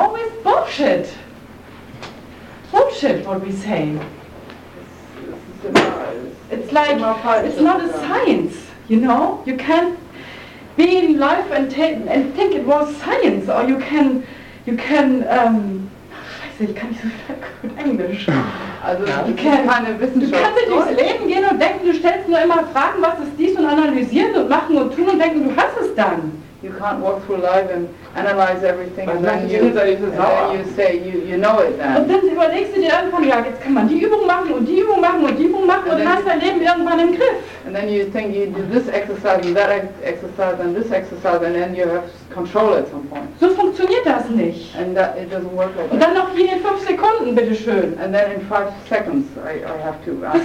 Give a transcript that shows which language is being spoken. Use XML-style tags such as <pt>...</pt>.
<en>Always bullshit. Bullshit, what we say. It's like, it's not a science, you know? You can't be in life and think it was science, or you can...</en> <de>Ich kann nicht so gut Englisch. Also, du kannst nicht durchs Leben gehen und denken, du stellst nur immer Fragen, was ist dies und analysieren und machen und tun und denken, du hast es dann.</de> <en>You can't walk through life and analyze everything and then you say you know it then.</en> <de>Und dann überlegst du dir irgendwann, ja, jetzt kann man die Übung machen und die Übung machen und die Übung machen und hast dein Leben irgendwann im Griff.</de> <en>And then you think you do this exercise and that exercise and this exercise and then you have control at some point.</en> <de>So funktioniert das nicht.</de> <en>And that, it doesn't work like that.</en> <de>Und dann noch hier in 5 Sekunden, bitteschön.</de> <en>And then in 5 seconds I have to answer.</en>